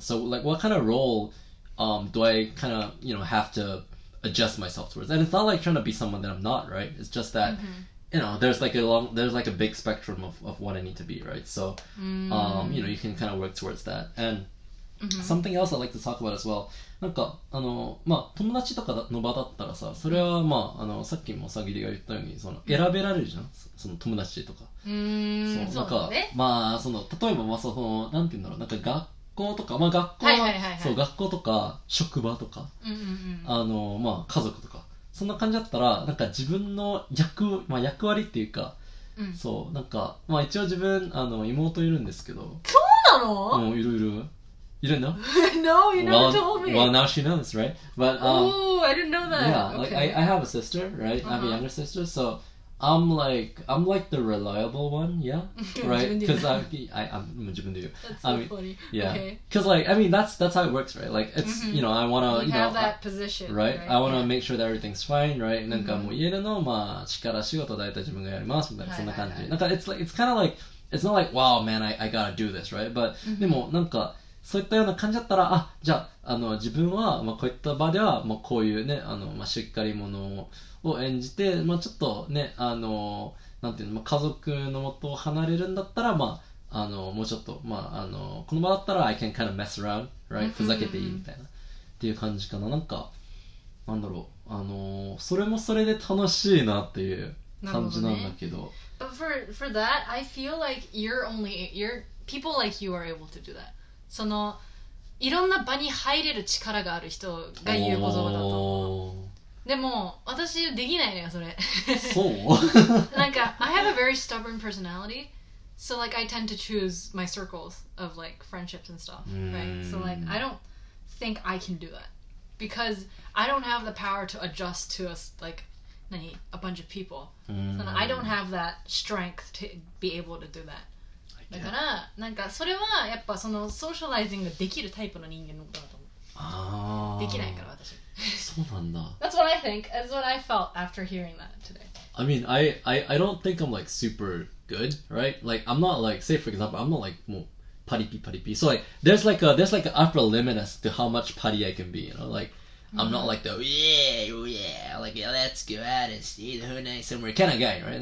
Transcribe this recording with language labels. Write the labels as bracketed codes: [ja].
[en] So like what kind of role、do I kind of, you know, have to adjust myself towards? And it's not like trying to be someone that I'm not, right? It's just that、 mm-hmm. You know, there's like a big spectrum of what I need to be, right? So,、you know, you can kind of work towards that. And、 mm-hmm. something else I'd like to talk about as well. [ja] なんか、まあ、友達とかの場だったらさ、それはまあ、さっきもさぎりが言ったように、その、選べられるじゃん、その友達とか。そう、なんか、ね、まあ、その、例えば、まあ、その、なんて言うんだろう、なんか学校とか、まあ、学校、はいはいはいはい、そう、学校とか、職場とか、うんうんうん、まあ、家族とか。そんな感じだったら、なんか自分の役、まあ、役割っていうか、うん、そう、なんか、まあ一応自分、妹いるんですけど。そうなの? うん、いる。いるんだ? [en] No, you never told me. Well, now she knows, right? But, Oh, I didn't know that. Yeah, okay. I have a sister, right? Uh-huh. I have a younger sister, so I'm like the reliable one, yeah? Right? Because I'm [ja] 自分で言う。 [en] That's so funny. Yeah. Because、 okay. like, I mean, that's how it works, right? Like, it's,、 mm-hmm. you know, I want to, you know. You have that position, right? Right? I want to、 yeah. make sure that everything's fine, right? Mm-hmm. [ja] なんかもう家でのまあ力仕事大体自分がやります、みたいな、そんな感じ。はいはい、 [en] なんか it's like, it's kind of like, it's not like, wow, man, I gotta do this, right? But,、 mm-hmm. [ja] でもなんか、そういったような感じだったら、あ、じゃあ、自分は、まあこういった場では、まあこういうね、まあしっかり者を演じて、まあちょっとね、なんていうの、まあ家族のもとを離れるんだったら、まあ、もうちょっと、まあこの場だったら、 [en] I can kind of mess around, right? [ja] ふざけていいみたいな。っていう感じかな。なんか、なんだろう、それもそれで楽しいなっていう感じなんだけど。なるほどね。 [en] But for that, I feel like people like you are able to do that. [ja] そのいろんな場に入れる力がある人が言う言葉だと。でも私できないのよそれ。そう。 [en] なんか I have a very stubborn personality, so like I tend to choose my circles of like friendships and stuff, right? So like I don't think I can do that because I don't have the power to adjust to a like a bunch of people. So I don't have that strength to be able to do that. [ja] だから、なんかそれはやっぱそのソーシャライズングができるタイプの人間のことだと思う。ああ。できないから私。そうなんだ。 [en] That's what I think. That's what I felt after hearing that today. I mean, I don't think I'm like super good, right? Like, I'm not like, say for example, I'm not like [ja] もうパリピパリピ. [en] So like, there's like an upper limit as to how much party I can be, you know? Like, I'm not like the, yeah, like, yeah, let's go out and see the whole night somewhere kind of guy, right?